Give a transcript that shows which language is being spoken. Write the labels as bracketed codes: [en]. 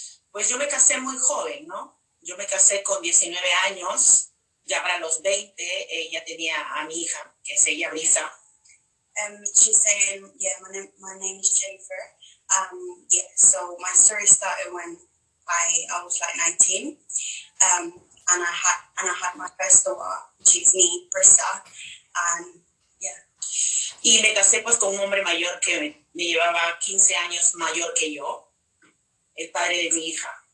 [es] Pues yo me casé muy joven, ¿no? Yo me casé con 19 años. Ya para los 20, ella tenía a mi hija, que es ella, Brisa. [en] She's saying, yeah, my name is Jennifer. So my story started when I was like 19. And I had my first daughter, which is me, Brisa. [es] Y me casé pues con un hombre mayor que me llevaba 15 años mayor que yo, el padre de mi hija.